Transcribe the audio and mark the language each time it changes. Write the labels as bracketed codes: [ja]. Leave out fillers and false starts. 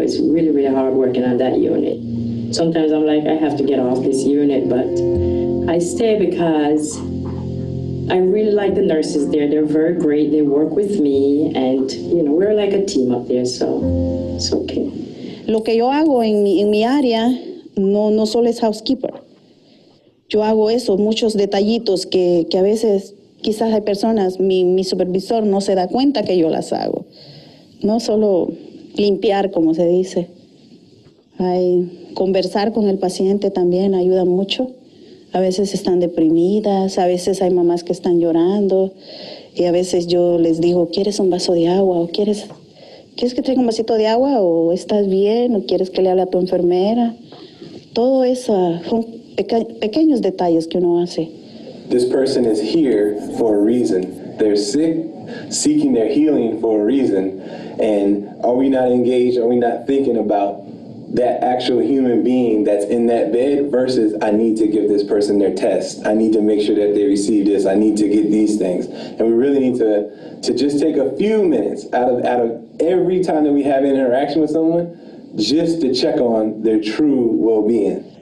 [en] It's really, really hard working on that unit. Sometimes I'm like, I have to get off this unit, but I stay because I really like the nurses there. They're very great. They work with me, and you know, we're like a team up there, so it's okay. [es] Lo que yo hago en mi área no solo es housekeeper. Yo hago eso, muchos detallitos que a veces quizás hay personas, mi supervisor no se da cuenta que yo las hago. No solo limpiar, como se dice. Hay conversar con el paciente también ayuda mucho. A veces están deprimidas, a veces hay mamás que están llorando, y a veces yo les digo, ¿quieres un vaso de agua? O ¿quieres que traiga un vasito de agua? ¿O estás bien? ¿O quieres que le hable a tu enfermera? Todo eso son pequeños detalles que uno hace. [en] This person is here for a reason. They're sick, seeking their healing for a reason. And are we not engaged? Are we not thinking about that actual human being that's in that bed versus I need to give this person their test. I need to make sure that they receive this. I need to get these things. And we really need to just take a few minutes out of every time that we have an interaction with someone just to check on their true well-being.